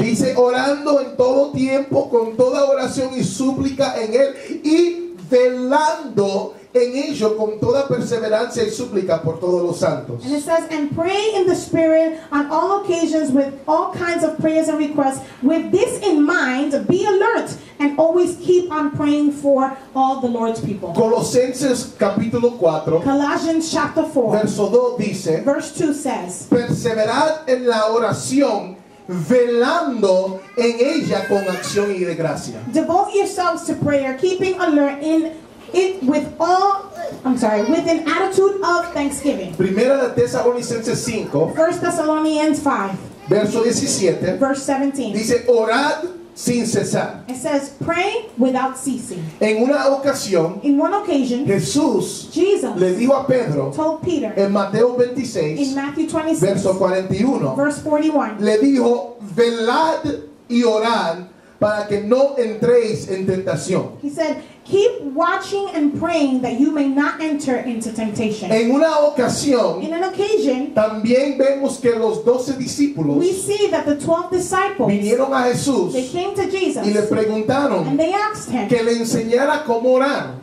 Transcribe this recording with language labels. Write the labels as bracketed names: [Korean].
[Spanish] Dice orando en todo tiempo con toda oración y súplica en él y velando en ello con toda perseverancia y súplica por todos los santos. [English] And it says, and pray in the spirit on all occasions with all kinds of prayers and requests. With this in mind, be alert and always keep on praying for all the Lord's people. [Spanish] Colosenses capítulo 4. [English] Colossians chapter 4. [Spanish] Verso 2 dice. [English] Verse 2 says. [Spanish] Perseverad en la oración, velando en ella con acción y de gracia. [English] Devote yourselves to prayer, keeping alert in it with all, I'm sorry, with an attitude of thanksgiving. [Spanish] Primera de Tesalonicenses 5. [English] First Thessalonians 5. [Spanish] Verso 17. [English] Verse 17. [Spanish] Dice, orad sin cesar. [English] It says, pray without ceasing. [Spanish] En una ocasión. [English] In one occasion. [Spanish] Jesús. [English] Jesus. [Spanish] Le dijo a Pedro. [English] Told Peter. [Spanish] En Mateo 26. [English] In Matthew 26. [Spanish] Verso 41. [English] Verse 41. [Spanish] Le dijo, velad y orad para que no entréis en tentación. [English] He said, keep watching and praying that you may not enter into temptation. [Spanish] En una ocasión, [English] in an occasion, [Spanish] también vemos que los 12 discípulos, [English] we see that the 12 disciples, [Spanish] vinieron a Jesús, [English] they came to Jesus, [Spanish] y le preguntaron, [English] and they asked him, [Spanish] que le enseñara cómo orar,